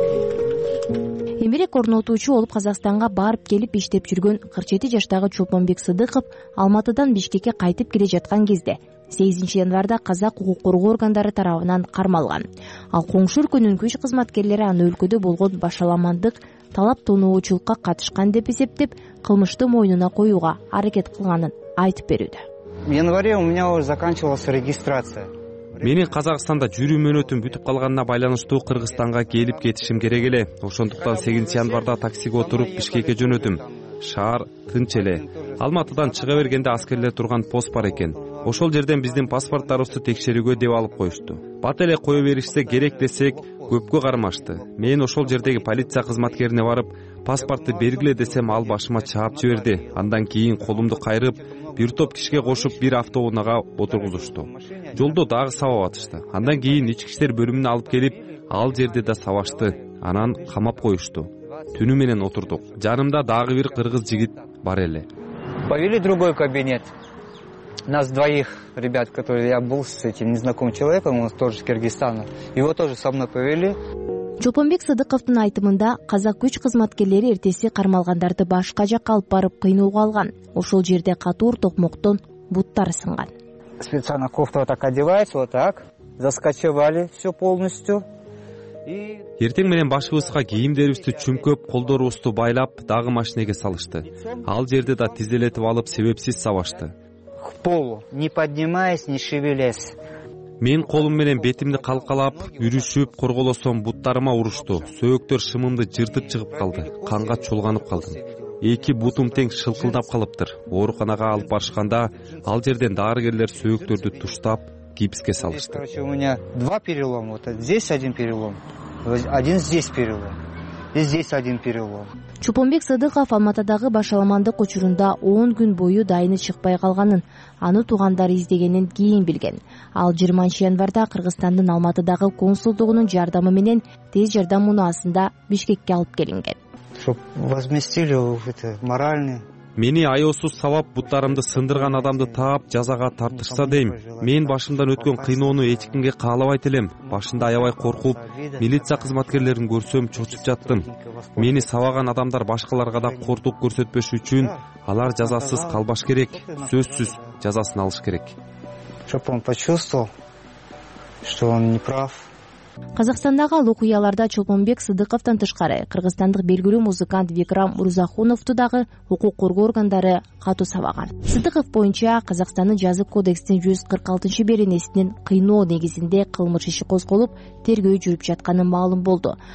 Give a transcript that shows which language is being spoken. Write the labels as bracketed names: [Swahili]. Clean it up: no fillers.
[Kyrgyz] Эмерек орнотуучу болуп Казакстанга барып келип иштеп жүргөн 47 жаштагы Чолпонбек Сыдыков Алматыдан Бишкекке кайтып келе жаткан кезде 8 январда казак укук коргоо органдары тарабынан кармалган. Ал коңшу өлкөнүн күч кызматкерлери аны өлкөдө болгон башаламандык талап тонуучулукка катышкан деп эсептеп, кылмышты мойнуна коюуга аракет кылганын айтып берүүдө. [Russian] В январе у меня уже заканчивалась регистрация. [Kyrgyz] Менин Казакстанда жүрүү мөөнөтүм бүтүп калганына байланыштуу Кыргызстанга келип кетишим керек эле. Ошондуктан 8 январда таксиге отуруп Бишкекке жөнөдүм. Шаар тынч эле. Алматыдан чыга бергенде аскерлер турган пост бар экен. Ошол жерден биздин паспорттарыбызды текшерүүгө деп алып коюшту. Бат эле кое беришсе керек десек, көпкө кармашты. Мен ошол жердеги полиция кызматкерине барып, паспортту бергиле десем, ал башыма чаап жиберди. Андан кийин колумду кайрып, бир топ кишиге кошуп, бир автоунага отургузушту. Жолдо дагы сабап атышты. Андан кийин ички иштер бөлүмүнө алып келип, ал жерде да сабашты. Анан камап коюшту. Түнү менен отурдук. Жанымда дагы бир кыргыз жигит бар эле. [Russian] Повели другой кабинет. Нас двоих ребят, которые я был с этим незнакомым человеком, он тоже из Кыргызстана. Его тоже со мной повели. [Kyrgyz] Чолпонбек Садыковтун айтымында казак күч кызматкерлери эртеси кармалгандарды башка жакка алып барып кыйноого алган. Ошол жерде катуур токмоктон буттары сынган. [Russian] Специально кофта вот так одевается, вот так. Заскочивали все полностью. [Kyrgyz] Эртең менен башыбызга кийимдерибизди чүмкөп, колдорубузду байлап, дагы машинеге салышты. Ал жерде да тизелетип алып, себепсиз сабашты. [Russian] К полу, не поднимаясь, не шевелясь. [Kyrgyz] Мен колум менен бетимди калкалап, үрүшүп, корголосом буттарыма урушту. Сөөктөр шымымды жыртып чыгып калды. Канга чолганып калдым. Эки бутум тең шылкылдап калыптыр. Ооруканага алып барышканда, ал жерден дарыгерлер сөөктөрдү туштап, гипске салышты. [Russian] У меня два перелома. Вот здесь один перелом. Один здесь перелом. И здесь один перелом. [Kyrgyz] Чупонбек Садыков Алматыдагы башаламандык учурунда 10 күн бою дайыны чыкпай калганын, аны туугандары издегенин кийин билген. Ал 20 январда Кыргызстандын Алматыдагы консулдугунун жардамы менен тез жардам унаасында Бишкекке алып келинген. [Russian] Чтоб возместили это моральный. [Kyrgyz] Мени аёсуз сабап буттарымды сындырган адамды таап жазага тартышса дейм. Мен башымдан өткөн кыйноону эч кимге каалабайт элем. Башында аябай коркуп, милиция кызматкерлерин көрсөм чочуп жаттым. Мени сабаган адамдар башкаларга да кортук көрсөтпөш үчүн алар жазасыз калбаш керек, сөзсүз жазасын алыш керек. [Russian] Чтоб он почувствовал, что он не прав. [Kyrgyz] Казакстандагы ал окуяларда Чолпонбек Садыковтон тышкары кыргызстандык белгилүү музыкант Викрам Рузахуновду дагы укук коргоо органдары катуу сабаган. Садыков боюнча Казакстандын Жазы кодекстин 146 беренесинин кыйноо негизинде кылмыш иши козголуп, тергөө жүрүп жатканы маалым болду.